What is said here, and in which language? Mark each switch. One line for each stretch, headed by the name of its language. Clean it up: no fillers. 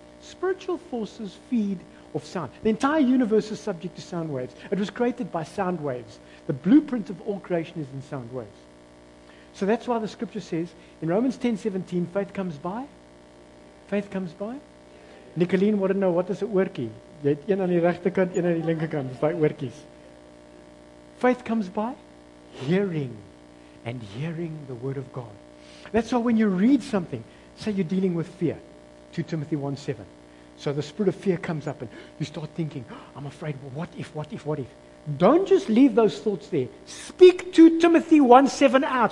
English: Spiritual forces feed off sound. The entire universe is subject to sound waves. It was created by sound waves. The blueprint of all creation is in sound waves. So that's why the scripture says in Romans 10:17, faith comes by. Faith comes by. Nicolien, want to know, what is a oorkie?
Afrikaans: Jy het een aan die regterkant, een aan die linkerkant. Dis daai oortjies.
English: Faith comes by hearing, and hearing the word of God. That's why when you read something, say you're dealing with fear, 2 Timothy 1:7. So the spirit of fear comes up and you start thinking, I'm afraid, well, what if, what if, what if? Don't just leave those thoughts there. Speak 2 Timothy 1:7 out.